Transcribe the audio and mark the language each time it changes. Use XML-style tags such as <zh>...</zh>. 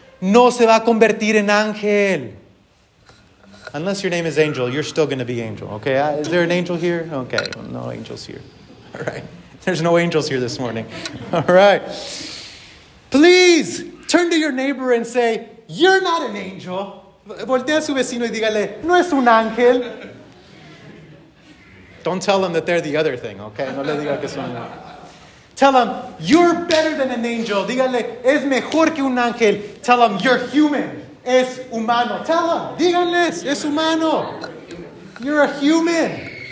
<es>No se va a convertir en ángel.</es> <en>Unless your name is Angel, you're still going to be angel. Okay, is there an angel here? Okay, well, no angels here. All right. There's no angels here this morning. All right. Please, turn to your neighbor and say, you're not an angel.</en> <es>Voltea a su vecino y dígale, no es un ángel.</es> <en>Don't tell them that they're the other thing, okay?</en> <es>No le diga que son.</es> <en>Tell them, you're better than an angel.</en> <es>Dígale, es mejor que un ángel.</es> <en>Tell them, you're human.</en> <es>Es humano.</es> <en>Tell them,</en> <es>díganles, es humano.</es> <en>You're a human.</en>